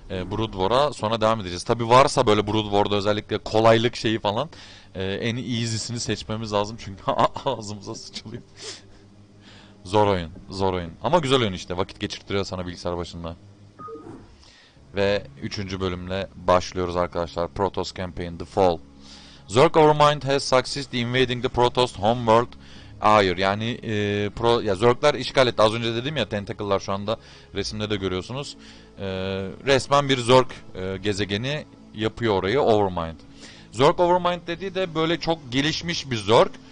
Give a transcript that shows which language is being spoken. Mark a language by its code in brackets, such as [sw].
[tr] Brood War'a sonra devam edeceğiz. Tabi varsa böyle Brood War'da özellikle kolaylık şeyi falan en easy'sini seçmemiz lazım. Çünkü ağzımıza sıçılıyor. Zor oyun, zor oyun. Ama güzel oyun işte. Vakit geçirtiyor sana bilgisayar başında. Ve 3. bölümle başlıyoruz arkadaşlar. [en] Protoss Campaign The Fall. Zerg Overmind has successfully invading the Protoss homeworld. Ayr. [tr] Yani ya Zerg'ler işgal etti. Az önce dedim ya, tentacle'lar şu anda resimde de görüyorsunuz. Resmen bir Zerg gezegeni yapıyor orayı, Overmind. Zerg Overmind dediği de böyle çok gelişmiş bir Zerg.